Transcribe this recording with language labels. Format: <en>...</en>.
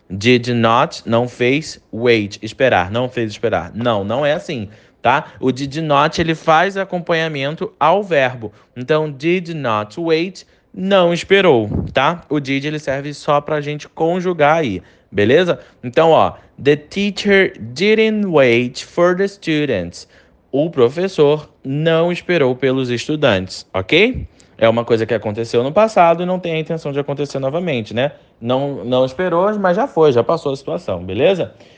<pt>Did not, não fez wait, esperar. Não fez esperar. Não é assim, tá? O did not, ele faz acompanhamento ao verbo. Então</pt> <en>did not wait,</en> <pt>não esperou, tá? O did, ele serve só para a gente conjugar aí. Beleza?</pt> <en>Então, ó, the teacher didn't wait for the students.</en> <pt>O professor não esperou pelos estudantes, ok? É uma coisa que aconteceu no passado e não tem a intenção de acontecer novamente, né? Não esperou, mas já foi, já passou a situação, beleza?</pt>